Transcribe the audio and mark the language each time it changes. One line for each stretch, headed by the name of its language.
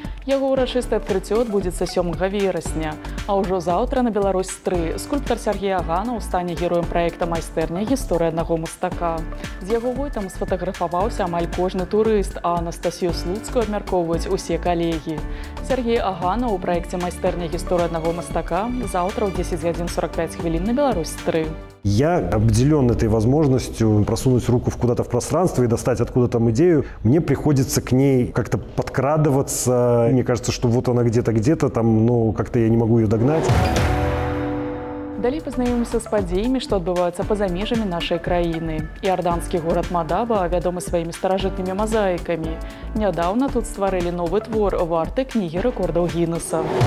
Belarusian: Яго ўрачыстае адкрыццё адбудзецца 7 верасня. А ўжо заўтра на «Беларусь-3» скульптар Сергій Аганаў стане героем праекта «Майстэрня. Гісторыя аднаго мастака». З яго войтам сфатаграфаваўся амаль кожны турыст, а Анастасію Слуцкую абмяркоўваюць усе калегі. Сергій Аганаў у праекце «Майстэрня. Гісторыя аднаго мастака» заўтра ў 10:45 на «Беларусь-3».
Russian: Я обделен этой возможностью просунуть руку куда-то в пространство и достать откуда там идею. Мне приходится к ней как-то подкрадываться. Мне кажется, что вот она где-то там, но как-то я не могу ее догнать.
Belarusian: Далей познаёмся з падзеямі, што адбываюцца па-за межамі нашай краіны. Іарданскі горад Мадаба вядомы сваімі старажытнымі мазаікамі. Нядаўна тут стварылі новы твор, варты кнігі рэкордаў Гіннеса.